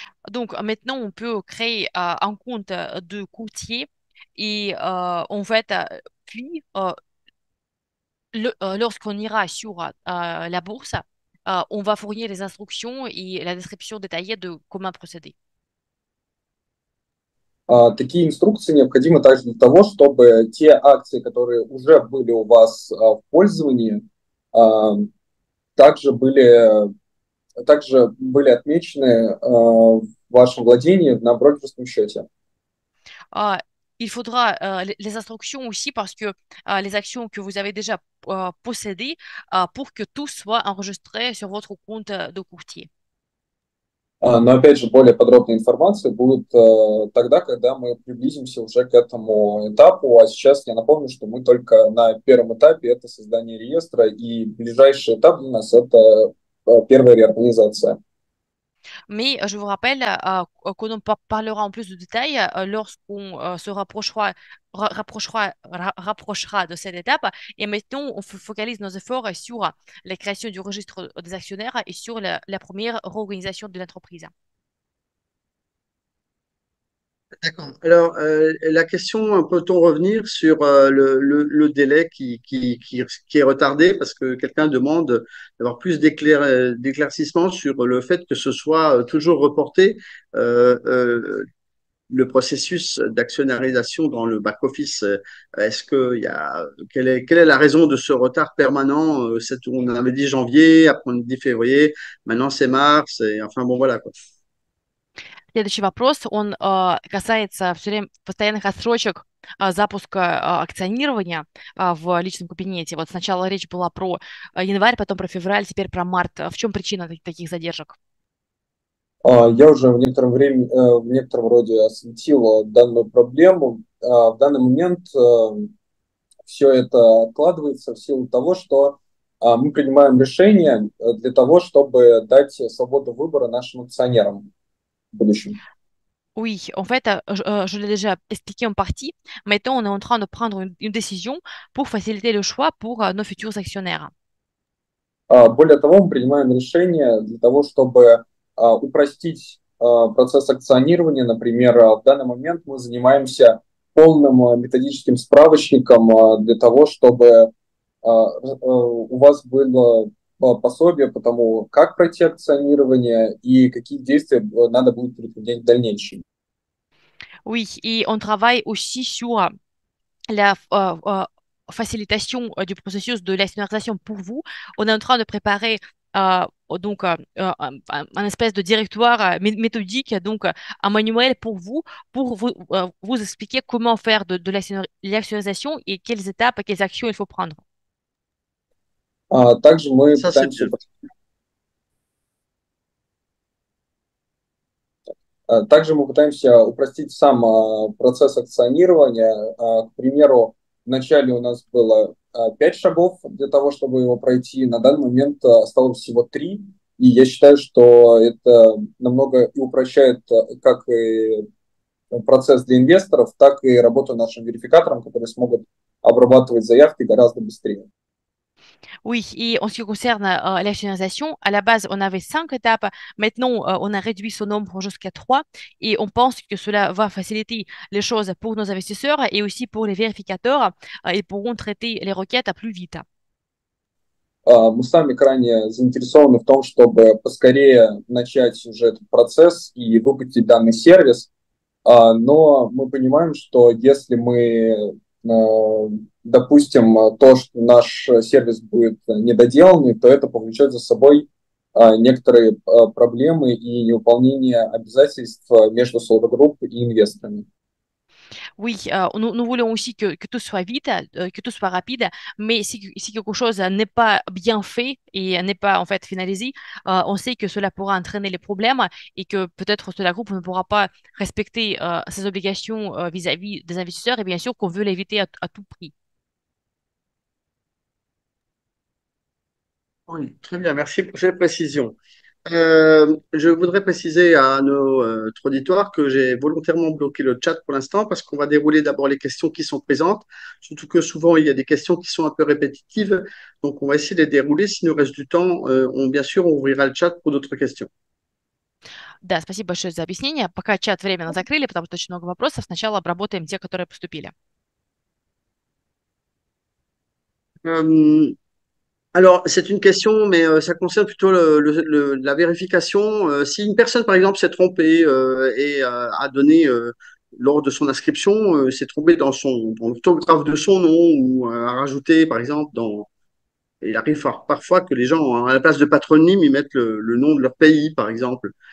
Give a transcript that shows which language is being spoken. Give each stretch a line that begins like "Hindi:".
French: Donc maintenant, on peut créer un compte de courtier et en fait, puis lorsqu'on ira sur la bourse, on va fournir les instructions et la description détaillée de comment procéder.
Russian: Такие инструкции необходимы также для того, чтобы те акции, которые уже были у вас в пользовании, также были отмечены в вашем владении на брокерском счете.
French: Il faudra les instructions aussi parce que les actions que vous avez déjà possédées pour que tout soit enregistré sur votre compte de courtier.
Russian: Но опять же, более подробная информация будет тогда, когда мы приблизимся уже к этому этапу. А сейчас я напомню, что мы только на первом этапе, это создание реестра, и ближайший этап для нас это первая реорганизация.
French: Mais je vous rappelle qu'on parlera en plus de détails lorsqu'on se rapprochera de cette étape. Et maintenant, on focalise nos efforts sur la création du registre des actionnaires et sur la première réorganisation de l'entreprise. D'accord. Alors, la question, peut-on revenir sur le délai qui est retardé parce que quelqu'un demande d'avoir plus d'éclaircissement sur le fait que ce soit toujours reporté le processus d'actionnarisation dans le back-office. Est-ce que y a, quelle est la raison de ce retard permanent on avait dit janvier, après on a dit février, maintenant c'est mars, et enfin bon, voilà quoi.
Russian: Следующий вопрос, он касается все время постоянных отсрочек запуска акционирования в личном кабинете. Вот сначала речь была про январь, потом про февраль, теперь про март. В чем причина таких задержек? Я уже в некотором роде осветил данную проблему. В данный момент все это откладывается в силу того, что мы принимаем решение для того, чтобы дать свободу выбора нашим акционерам в будущем.
French: Oui, en fait, je l'ai déjà expliqué en partie. Maintenant, on est en train de prendre une décision pour faciliter le choix pour nos futurs actionnaires.
Russian: Более того, мы принимаем решение для того, чтобы упростить процесс акционирования. Например, в данный момент мы занимаемся полным методическим справочником для того, чтобы у вас было пособие по тому, как пройти акционирование и какие действия надо будет предпринять в дальнейшем.
French: Oui, et on travaille aussi sur la facilitation du processus de l'actionnarisation pour vous. On est en train de préparer donc un espèce de directoire méthodique, donc un manuel pour vous, pour vous expliquer comment faire de l'actionnarisation et quelles étapes, quelles actions il faut prendre.
Russian: Также мы
French: Ça, c'est
Russian: пытаемся
French: bien.
Russian: упростить сам процесс акционирования. К примеру, вначале у нас было 5 шагов для того, чтобы его пройти. На данный момент осталось всего 3. И я считаю, что это намного и упрощает как и процесс для инвесторов, так и работу нашим верификаторам, которые смогут обрабатывать заявки гораздо быстрее.
French: Oui, et en ce qui concerne l'actionnarisation, à la base, on avait 5 étapes. Maintenant, on a réduit ce nombre jusqu'à 3 et on pense que cela va faciliter les choses pour nos investisseurs et aussi pour les vérificateurs. Ils pourront traiter les requêtes plus vite.
Russian: Мы сами крайне заинтересованы в том, чтобы поскорее начать уже этот процесс и выпустить данный сервис. Но мы понимаем, что если мы допустим то, что наш сервис будет недоделанный, то это повлечет за собой некоторые проблемы и невыполнение обязательств между Solar Group и инвесторами.
French: Oui, nous voulons aussi que tout soit vite, que tout soit rapide, mais si quelque chose n'est pas bien fait et n'est pas en fait finalisé, on sait que cela pourra entraîner les problèmes et que peut-être que la groupe ne pourra pas respecter ses obligations vis-à-vis des investisseurs et bien sûr qu'on veut l'éviter à tout prix. Oui, très bien, merci pour ces précisions. Je voudrais préciser à nos auditoires que j'ai volontairement bloqué le chat pour l'instant parce qu'on va dérouler d'abord les questions qui sont présentes, surtout que souvent il y a des questions qui sont un peu répétitives, donc on va essayer de les dérouler. S'il nous reste du temps, bien sûr, on ouvrira le chat pour d'autres questions.
Russian: Да, спасибо большое за объяснение. Пока чат временно закрыли, потому что очень много вопросов, сначала обработаем те, которые поступили.
French: Alors, c'est une question, mais ça concerne plutôt la vérification. Si une personne, par exemple, s'est trompée a donné lors de son inscription, s'est trompée dans l'orthographe de son nom ou a rajouté, par exemple, il arrive parfois que les gens, à la place de patronyme, ils mettent le nom de leur pays, par exemple.